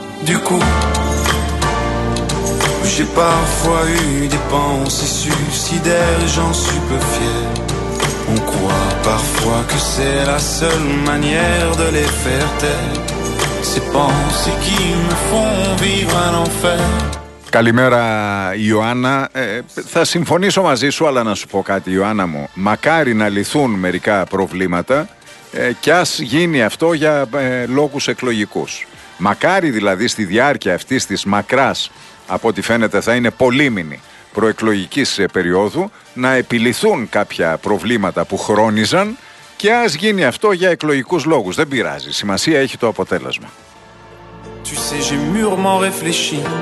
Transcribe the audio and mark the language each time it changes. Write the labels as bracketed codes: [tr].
[fr] Du coup, j'ai parfois eu des pensées suicidaires, j'en suis peu fier. On croit parfois que c'est la seule manière de les faire taire. Ces pensées qui me font vivre un enfer. [el] Καλημέρα, Ιωάννα. Θα συμφωνήσω μαζί σου, αλλά να σου πω κάτι, Ιωάννα μου. Μακάρι να λυθούν μερικά προβλήματα και ας γίνει αυτό για λόγους εκλογικούς. Μακάρι δηλαδή στη διάρκεια αυτής της μακράς, από ό,τι φαίνεται θα είναι πολύμηνη προεκλογικής περίοδου, να επιλυθούν κάποια προβλήματα που χρόνιζαν και ας γίνει αυτό για εκλογικούς λόγους. Δεν πειράζει, σημασία έχει το αποτέλεσμα. [fr] Tu sais, j'ai mûrement réfléchi.